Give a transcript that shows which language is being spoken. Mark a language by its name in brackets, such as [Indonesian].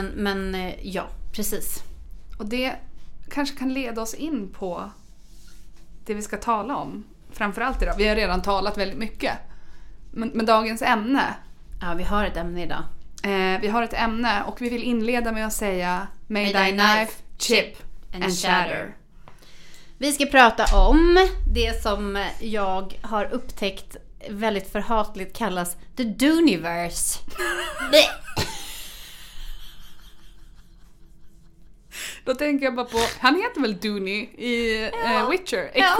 [Swedish] Men ja, precis. Och det kanske kan leda oss in på det vi ska tala om. Framförallt idag. Vi har redan talat väldigt mycket. Men dagens ämne. Ja, vi har ett ämne idag. Vi har ett ämne och vi vill inleda med att säga [English] May thy knife, chip and shatter. [Swedish] Vi ska prata om det som jag har upptäckt väldigt förhatligt kallas the Dooniverse. Då tänker jag bara på, han heter väl Dooney i Witcher?